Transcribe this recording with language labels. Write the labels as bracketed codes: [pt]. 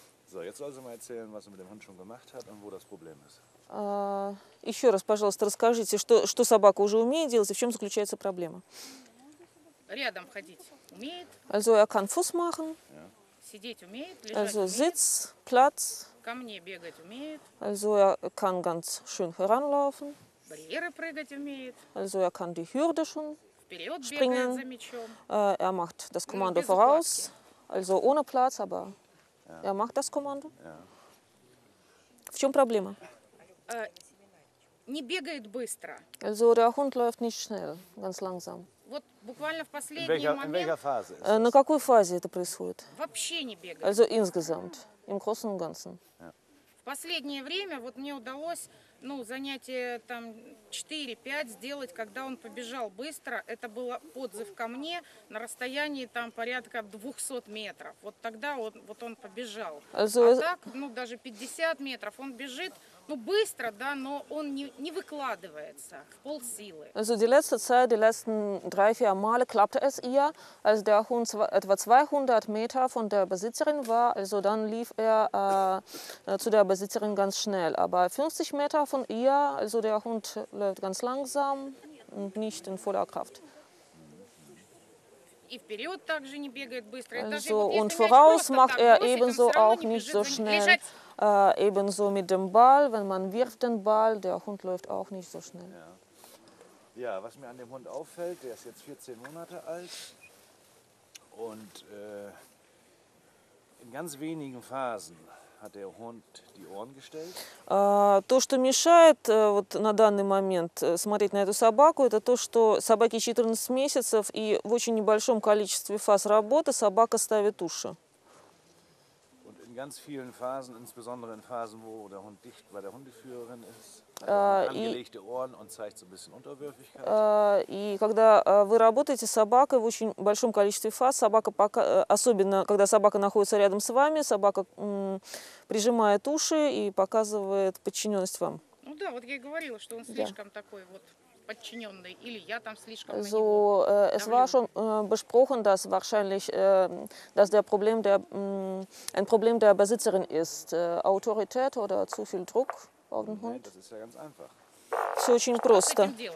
[de] So, jetzt soll sie mal erzählen, was sie mit dem Hund schon gemacht hat und wo das Problem ist. [ru] Еще раз, пожалуйста, расскажите, что собака уже умеет делать и в чем заключается проблема. Рядом ходить умеет. [de] Also, er kann Fuß machen. Ja. [ru] Сидеть умеет, лежать also, умеет. [de] Sitz, Platz. [ru] Ко мне бегать умеет. [de] Also, er kann ganz schön heranlaufen. [ru] Барьеры прыгать умеет. [de] Also, er kann die Hürde schon [ru] вперед [de] springen. [ru] Бегает за мячом. [de] Er macht das Kommando voraus. [ru] Платки. [de] Also, ohne Platz, aber ja. Er macht das Kommando. Ja. [ru] В чем проблема? Не бегает быстро. [de] Also, der Hund läuft nicht schnell, ganz langsam. [ru] Вот буквально в последний момент. На какой фазе это происходит? Вообще не бегает. [de] Also insgesamt, im Großen und Ganzen. [ru] В последнее время вот мне удалось, ну, занятие там 4-5 сделать, когда он побежал быстро. Это был отзыв ко мне на расстоянии там порядка 200 метров. Вот тогда он побежал. [de] Also, [ru] а так, ну, даже 50 метров он бежит. Ну, быстро, да, но он не выкладывается в полсилы. [de] Also die letzte Zeit, die letzten 3-4 Male klappte es ihr, als der Hund etwa 200 Meter von der Besitzerin war, also dann lief er zu der Besitzerin ganz schnell. Aber 50 Meter von ihr, also der Hund läuft ganz langsam und nicht in voller Kraft. [ru] И вперед также не бегает быстро. [de] Also, und voraus macht er ebenso auch nicht so schnell. Ebenso mit dem Ball, wenn man wirft den Ball, der Hund läuft auch nicht so schnell. Ja. Ja, was mir an dem Hund auffällt, der ist jetzt 14 Monate alt und in ganz wenigen Phasen hat der Hund die Ohren gestellt. [ru] То, что мешает вот на данный момент смотреть на эту собаку, это то, что собаке 14 месяцев и в очень небольшом количестве фаз работы собака ставит уши. [de] Ganz vielen Phasen, insbesondere in Phasen, wo der Hund dicht bei der Hundeführerin ist, hat angelegte Ohren und zeigt so ein bisschen Unterwürfigkeit. [ru] И когда вы работаете с собакой в очень большом количестве фаз, собака пока, особенно когда собака находится рядом с вами, собака прижимает уши и показывает подчиненность вам. Ну да, вот я и говорила, что он слишком такой вот. [de] So, es war schon besprochen, dass wahrscheinlich dass der Problem der ein Problem der Besitzerin ist. Autorität oder zu viel Druck auf den Hund? Nein, das ist ja ganz einfach. [ru] Все очень просто.